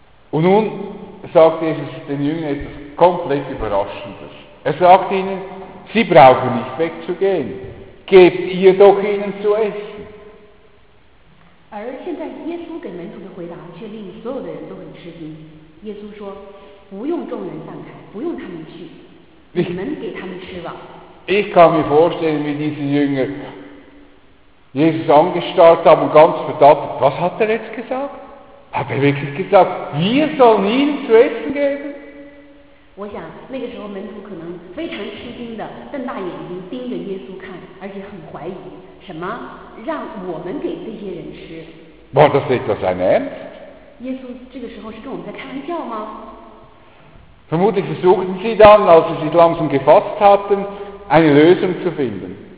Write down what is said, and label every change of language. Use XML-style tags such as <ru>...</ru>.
<de>Und nun sagt Jesus den Jüngern etwas komplett Überraschendes. Er sagt ihnen, sie brauchen nicht wegzugehen. Gebt ihr doch ihnen zu essen.</de> <zh>而现在耶稣给门徒的回答却令所有的人都很吃惊。耶稣说：“不用众人散开，不用他们去，你们给他们吃吧。”</zh> <de>Ich kann mir vorstellen, wie diese Jünger Jesus angestarrt haben und ganz verdattert. Was hat er jetzt gesagt? Hat er wirklich gesagt, wir sollen ihnen zu essen geben?</de> <zh>我想那个时候门徒可能非常吃惊的瞪大眼睛盯着耶稣看，而且很怀疑。什么？让我们给这些人吃？</zh> <de>War das etwas ein Ernst?</de> <zh>耶稣这个时候是跟我们在开玩笑吗？</zh> <de>Vermutlich versuchten sie dann, als sie sich langsam gefasst hatten, eine Lösung zu finden.</de>